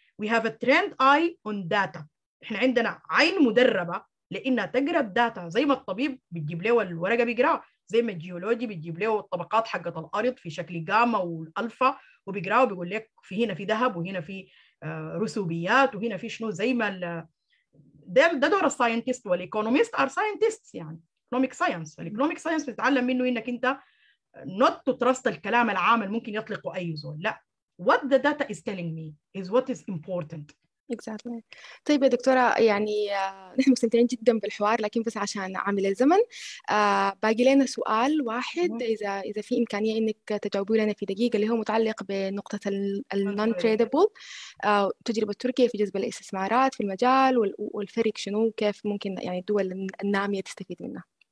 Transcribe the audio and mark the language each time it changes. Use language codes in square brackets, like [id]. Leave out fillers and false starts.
[en] we have a trained eye on data, [ar] احنا عندنا عين مدربه لانها تقرا الداتا، زي ما الطبيب بتجيب له الورقه بيقراها، زي ما الجيولوجي بتجيب له الطبقات حقه الارض في شكل جاما والفا وبيقراها وبيقول لك في هنا في ذهب وهنا في رسوبيات وهنا في شنو. زي ما ده دور الساينتست والايكونوميست ار ساينتستس، يعني ايكونوميك ساينس. الايكونوميك ساينس بتتعلم منه انك انت [en] not to trust [ar] الكلام العام اللي ممكن يطلقه اي زول، لا [en] What the data is telling me is what is important. Exactly. [ar] طيب يا دكتورة، يعني نحن مستمتعين جدا بالحوار، لكن بس عشان عامل الزمن باقي لنا سؤال واحد، إذا في إمكانية إنك تجاوبي لنا في دقيقة، اللي هو متعلق بنقطة الـ non-tradable، تجربة تركيا في جذب الاستثمارات في المجال، والفرق شنو، كيف ممكن يعني الدول النامية تستفيد منها.